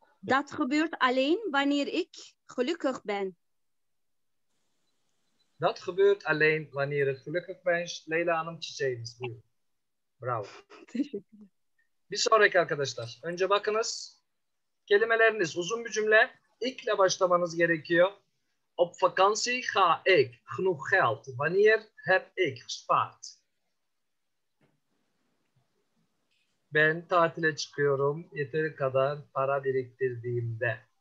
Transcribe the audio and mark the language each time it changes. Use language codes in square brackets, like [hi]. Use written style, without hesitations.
[nl] Dat gebeurt alleen wanneer ik gelukkig ben. Dat gebeurt alleen wanneer ik gelukkig ben. [tr] Leyla Hanım çiçeğimiz. Buyurun. Bravo. Teşekkürler. Bir sonraki arkadaşlar. Önce bakınız. Kelimeleriniz uzun bir cümle. İkle başlamanız gerekiyor. [nl] Op vakantie ga ik genoeg geld. Wanneer heb ik gespaard? [tr] Ben tatile çıkıyorum. Yeteri kadar para biriktirdiğimde.